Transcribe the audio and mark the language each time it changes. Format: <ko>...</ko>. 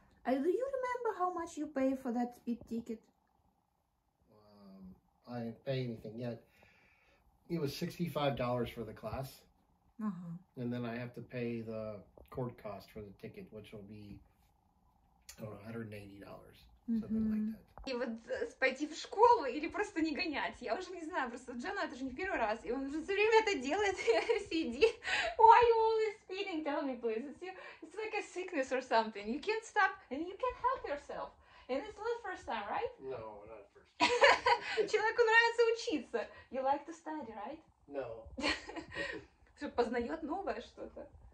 <en>Do you remember how much you pay for that speed ticket? I didn't pay anything yet. It was $65 for the class. Uh-huh. And then I have to pay the court cost for the ticket, which will be, I don't know, $180, mm-hmm. something like that.</en> <ru>И вот пойти в школу или просто не гонять? Я уже не знаю, просто Джона это же не первый раз, и он уже все время это делает, сиди.</ru> <en>Why are you always speeding? Tell me, please. It's like a sickness or something. You can't stop and you can't help yourself. And it's not first time, right? No, not first time.</en> <ru>Человеку нравится учиться.</ru> <en>You like to study, right? No.</en> <ru>Все познает новое что-то.</ru>